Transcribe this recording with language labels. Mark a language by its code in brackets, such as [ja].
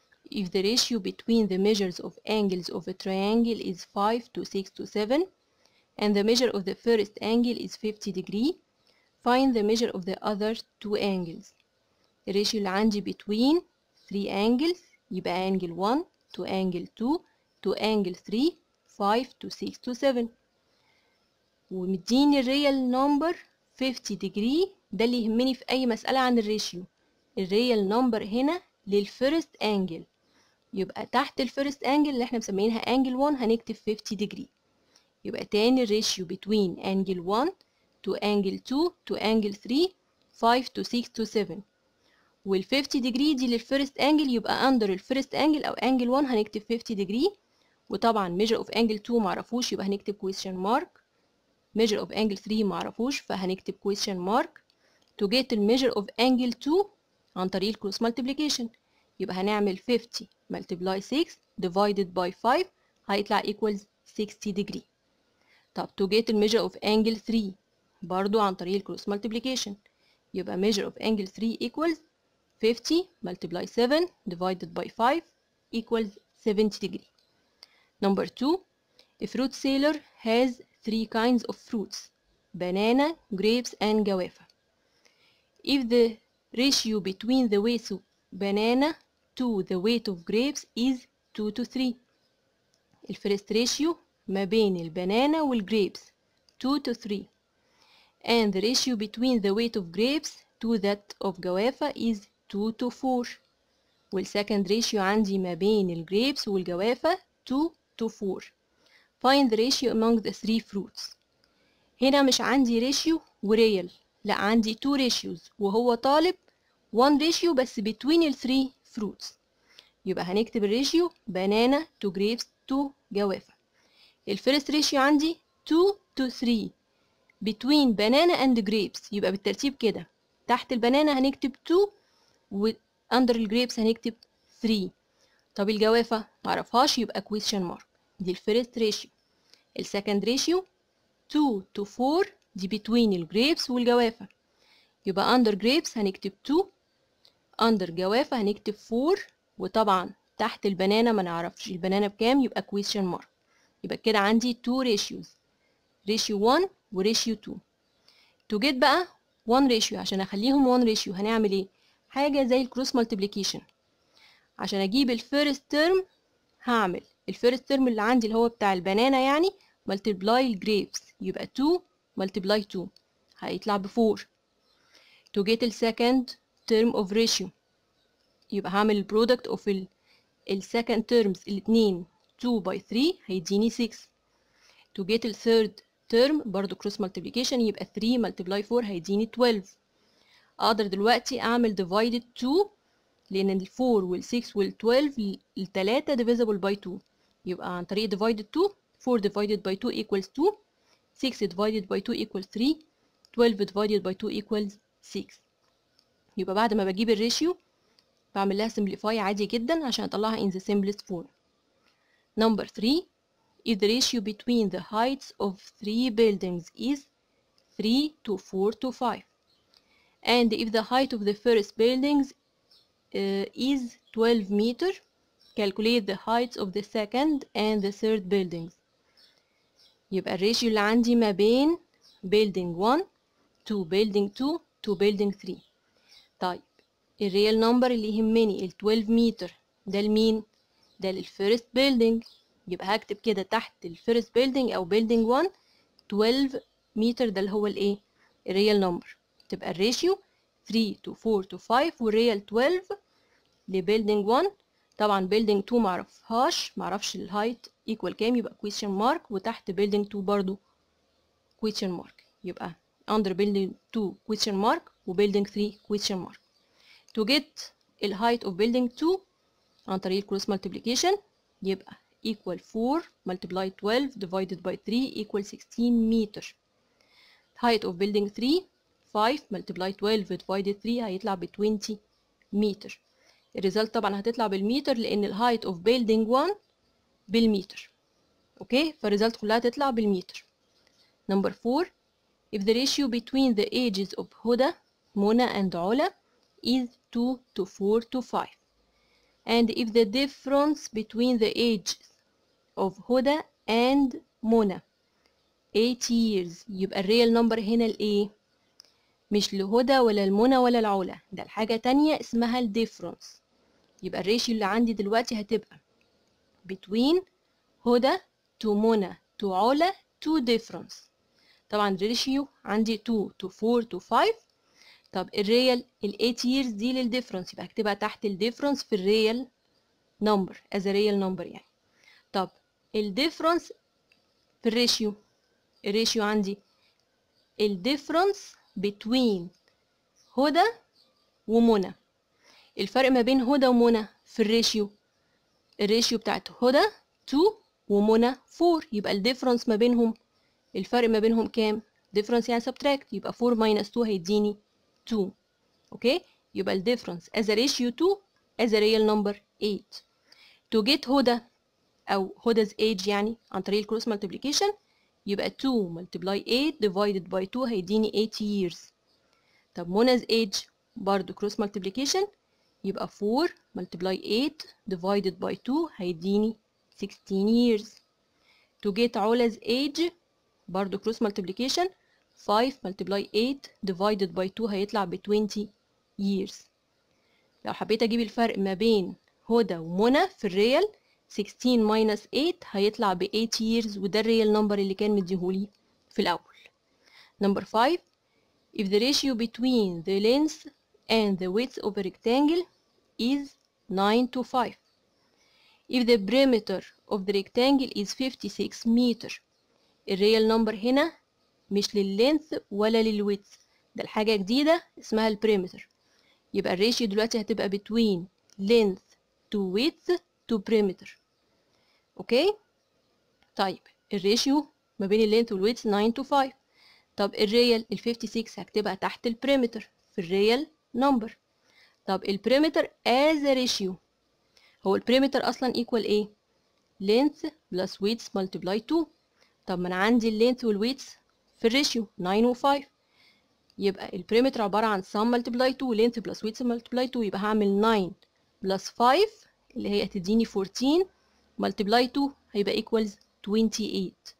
[en] If the ratio between the measures of angles of a triangle is 5 to 6 to 7, and the measure of the first angle is 50 degree, find the measure of the other two angles. The ratio اللي عندي between 3 angles, يبقى angle 1 to angle 2 to angle 3, 5 to 6 to 7. [ar] ومديني الريال نمبر 50 [en] degree. [ar] ده اللي يهمني في أي مسألة عن الريشيو. [en] الريال نمبر هنا للفيرست أنجل، يبقى تحت الفيرست أنجل اللي احنا مسمينها أنجل 1 هنكتب 50 degree. يبقى تاني الريشيو between angle 1 to angle 2 to angle 3 5 to 6 to 7. وال 50 degree دي للفيرست أنجل، يبقى under الفيرست أنجل أو أنجل 1 هنكتب 50 degree. وطبعا measure of أنجل 2 معرفوش، يبقى هنكتب question mark. Measure of angle 3 معرفوش، فهنكتب question mark. To get the measure of angle 2 [ar] عن طريق [en] cross multiplication، يبقى هنعمل 50 multiply 6 divided by 5 هيطلع equals 60 degree. طب to get the measure of angle 3 برضو [ar] عن طريق [en] cross multiplication، يبقى measure of angle 3 equals 50 multiply 7 divided by 5 equals 70 degree. Number 2. A fruit seller has 3 kinds of fruits, banana, grapes and guava. If the ratio between the weight of banana to the weight of grapes is 2 to 3. The first ratio ما بين البانانا والجريبس 2 to 3. And the ratio between the weight of grapes to that of guava is 2 to 4. والسكند ratio عندي ما بين الجريبس والجوافة 2 to 4. Find the ratio among the three fruits. [ar] هنا مش عندي [en] ratio وريال، لا عندي two ratios وهو طالب one ratio بس between the three fruits. يبقى هنكتب الratio banana to grapes to جوافة. الفيرست ratio عندي 2 to 3 between banana and grapes، [ar] يبقى بالترتيب كده تحت البانانا هنكتب [en] 2 وunder the grapes هنكتب 3. [ar] طب الجوافة معرفهاش، يبقى question mark. دي الفيرست ريشيو. السكند ريشيو 2 to 4 دي بين الجريبس والجوافه، يبقى اندر جريبس هنكتب 2، اندر جوافه هنكتب 4، وطبعا تحت البنانة ما نعرفش البنانة بكام، يبقى كويشن مارك. يبقى كده عندي 2 ريشيوز، ريشيو 1 وريشيو 2. تو جيت بقى 1 ريشيو، عشان اخليهم 1 ريشيو هنعمل ايه؟ حاجه زي الكروس ملتيبيكيشن. عشان اجيب الفيرست تيرم هعمل الفيرست ترم اللي عندي اللي هو بتاع البنانة يعني multiply grapes، يبقى 2 multiply 2 هيطلع ب 4. [en] To get the second term of ratio، يبقى هعمل product of the second terms الاثنين 2 by 3 هيديني 6. To get the third term برضو cross multiplication، يبقى 3 multiply 4 هيديني 12. اقدر دلوقتي اعمل divided 2 لان ال 4 وال 6 وال 12 الثلاثة divisible by 2، يبقى عن طريق divided 2 4 divided by 2 equals 2، 6 divided by 2 equals 3، 12 divided by 2 equals 6. [ar] يبقى بعد ما بجيب الريشيو بعمل لها simplify عادي جدا عشان اطلعها [en] in the simplest form. Number 3. If the ratio between the heights of 3 buildings is 3 to 4 to 5 and if the height of the first buildings is 12 meter، calculate the heights of the second and the third buildings. يبقى الريشيو اللي عندي ما بين building 1 to building 2 to building 3. [ar] طيب الريال نمبر اللي يهمني ال 12 متر ده لمين؟ ده للفيرست building، يبقى هكتب كده تحت الفيرست building او building 1 12 متر، ده اللي هو الايه؟ الريال نمبر. تبقى الريشيو 3 to 4 to 5 والريال 12 لبيلدينج 1. [en] طبعا building 2 معرفهاش، معرفش ال height equal كام، يبقى question mark. وتحت building 2 برضو question mark، يبقى under building 2 question mark و building 3 question mark. To get ال height of building 2 عن طريق cross multiplication، يبقى equal 4 multiply 12 divided by 3 equal 16 meter. Height of building 3 5 multiply 12 divided 3 هيطلع ب 20 meter. [ar] الريزلت طبعا هتطلع بالمتر لان الهايت اوف بيلدينج 1 بالمتر، اوكي؟ فالريزلت كلها هتطلع بالمتر. [en] Number 4. If the ratio between the ages of [ar] هدى منى [en] and Ola is 2 to 4 to 5. And if the difference between the ages of Huda and Mona 8 years, [ar] يبقى الريال نمبر هنا الايه؟ مش لهدى ولا المنى ولا العلا، ده الحاجة تانية اسمها الديفرنس. يبقى الريشيو اللي عندي دلوقتي هتبقى [en] between [ar] هدى to منى to علا to difference. طبعا الريشيو عندي 2 to 4 to 5. طب الريال ال 8 years دي للديفرنس، يبقى هكتبها تحت الديفرنس في الريال نمبر as a real number يعني. طب الديفرنس في الريشيو، الريشيو عندي الديفرنس between هدى ومنى. الفرق ما بين هدى ومنى في الريشيو، الريشيو بتاعت هدى 2 ومنى 4، يبقى الديفرنس ما بينهم، الفرق ما بينهم كام؟ ديفرنس يعني [en] subtract, [ar] يبقى 4 ماينس 2 هيديني 2. [en] Okay, يبقى الديفرنس as a ratio 2 as a real number 8. to get Huda او Huda's age يعني عن طريق الكروس ملتيبليكيشن، يبقى 2 multiply 8 divided by 2 هيديني 8 years. طب منى's age برضو cross multiplication، يبقى 4 multiply 8 divided by 2 هيديني 16 years. to get Ola's age برضو cross multiplication، 5 multiply 8 divided by 2 هيطلع ب 20 years. [ar] لو حبيت اجيب الفرق ما بين هدى ومنى في الريال، [en] 16 minus 8 [ar] هيطلع ب 8 years، وده الريال نمبر اللي كان مديهولي في الأول. [en] Number 5، if the ratio between the length and the width of a rectangle is 9 to 5. if the perimeter of the rectangle is 56 meter. [ar] الريال نمبر هنا مش للlength ولا للwidth، ده الحاجة جديدة اسمها البريمتر. [en] يبقى الريشيو دلوقتي هتبقى between length to width to perimeter. Okay, طيب الريشيو ما بين اللينث والويدث 9 to 5. [ar] طب الريال ال 56 هكتبها تحت البريمتر في الريال نمبر. [en] طب البريمتر as a ratio، هو البريمتر اصلا equal ايه؟ length plus width multiply 2. [ar] طب ما انا عندي [en] اللينث والويدث في الريشيو 9 و 5، يبقى البريمتر عبارة عن sum multiply 2 length plus width multiply 2، يبقى هعمل 9 plus 5 اللي هي تديني 14 multiply 2 هيبقى equals 28.